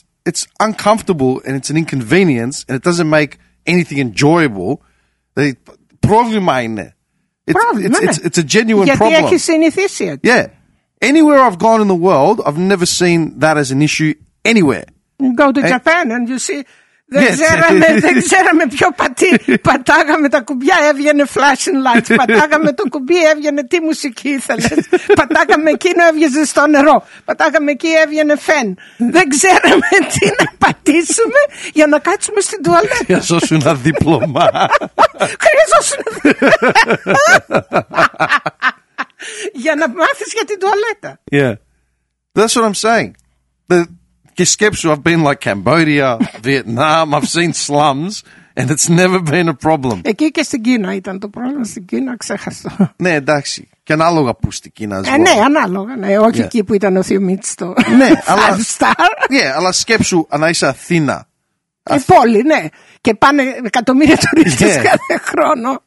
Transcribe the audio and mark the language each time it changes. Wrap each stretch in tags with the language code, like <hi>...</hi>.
<en>It's uncomfortable and it's an inconvenience and it doesn't make anything enjoyable.</en> <el>Δηλαδή, πρόβλημα είναι.</el> <en>It's a genuine</en> <el>γιατί</el> <en>problem.</en> <el>Έχεις συνηθίσει.</el> <en>Yeah. Anywhere I've gone in the world, I've never seen that as an issue anywhere. You go to Japan and you see</en> <el>Δεν ξέραμε ποιο πατή. Πατάγαμε τα κουμπιά, έβγαινε</el> <en>flashing lights.</en> <el>Πατάγαμε το κουμπί, έβγαινε τι μουσική ήθελε. Πατάγαμε εκείνο, έβγαινε στο νερό. Πατάγαμε εκεί, έβγαινε φεν. Δεν ξέραμε τι να πατήσουμε για να κάτσουμε στην τουαλέτα. Χρειαζόσουν ένα δίπλωμα. Χρειαζόσουν ένα δίπλωμα. Για να μάθεις για την τουαλέτα.</el> <en>Yeah. That's what I'm saying.</en> <el>Και σκέψου,</el> <en>I've been like Cambodia, Vietnam, I've seen slums and it's never been a problem.</en> <el>Εκεί και στην Κίνα ήταν το πρόβλημα, στην Κίνα ξέχασα. Ναι, εντάξει. Και ανάλογα που στην Κίνα ζω. Ναι, ανάλογα. Ναι, όχι εκεί που ήταν ο Θεομίτης το</el> <en>five star.</en> <el>Ναι, αλλά σκέψου να είσαι Αθήνα. Η πόλη, ναι. Και πάνε εκατομμύρια τουρίστες κάθε χρόνο.</el>